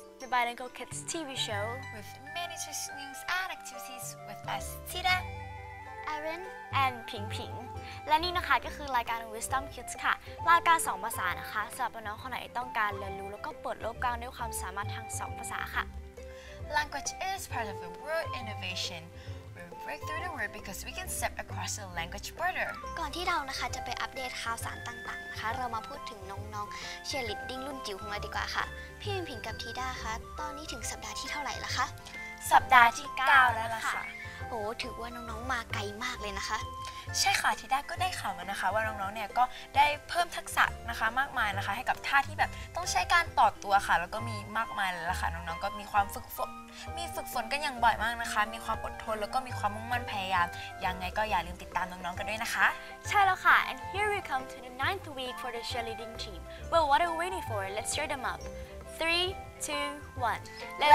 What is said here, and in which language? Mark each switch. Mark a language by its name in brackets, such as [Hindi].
[English] bilingual kids TV show with many such news and activities with us, Tita, Aaron, and Ping Ping. [Thai] และนี่นะคะก็คือรายการ Wisdom Kids ค่ะรายการ2ภาษานะคะสำหรับน้องคนไหนต้องการเรียนรู้แล้วก็เปิดโลกกว้างด้วยความสามารถทาง2ภาษาค่ะ [English] Language is part of the world innovationBreak through the word because we can step across the language border. [Thai] ก่อนที่เรานะคะจะไปอัปเดตข่าวสารต่างๆนะคะเรามาพูดถึงน้องๆเชียร์ลีดดิ้งรุ่นจิ๋วของเราดีกว่าค่ะพี่มิ้นผิงกับทีด้าคะตอนนี้ถึงสัปดาห์ที่เท่าไหร่แล้วคะ สัปดาห์ที่ 9แล้วล่ะค่ะ โอ้ถือว่าน้องๆมาไกลมากเลยนะคะ ใช่ค่ะทีด้าก็ได้ข่าวมานะคะว่าน้องๆเนี่ยก็ได้เพิ่มทักษะนะคะมากมายนะคะให้กับท่าที่แบบต้องใช้การต่อตัวค่ะแล้วก็มีมากมายเลยล่ะค่ะน้องๆก็มีฝึกฝนกันอย่างบ่อยมากนะคะมีความอดทนแล้วก็มีความมุ่งมั่นพยายามยังไงก็อย่าลืมติดตามน้องๆกันด้วยนะคะ ใช่แล้วค่ะ [English] and here we come to the ninth week for the cheerleading team well what are we waiting for let's cheer them up 3, 2, 1